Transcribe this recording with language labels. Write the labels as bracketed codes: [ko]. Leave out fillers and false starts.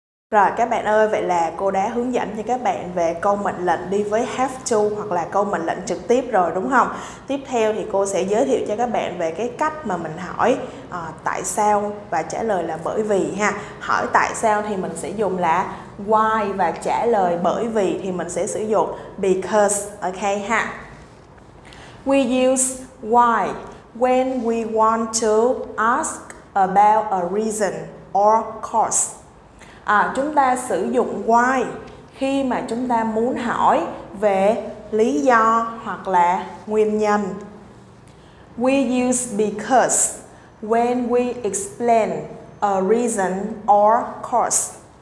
[vi] Rồi các bạn ơi, vậy là cô đã hướng dẫn cho các bạn về câu mệnh lệnh đi với have to hoặc là câu mệnh lệnh trực tiếp rồi đúng không? Tiếp theo thì cô sẽ giới thiệu cho các bạn về cái cách mà mình hỏi tại sao và trả lời là bởi vì ha. Hỏi tại sao thì mình sẽ dùng là why và trả lời bởi vì thì mình sẽ sử dụng because, ok ha. [en] We use why when we want to ask about a reason or cause. [vi] Chúng ta sử dụng why khi mà chúng ta muốn hỏi về lý do hoặc là nguyên nhân. [en] We use because when we explain a reason or cause.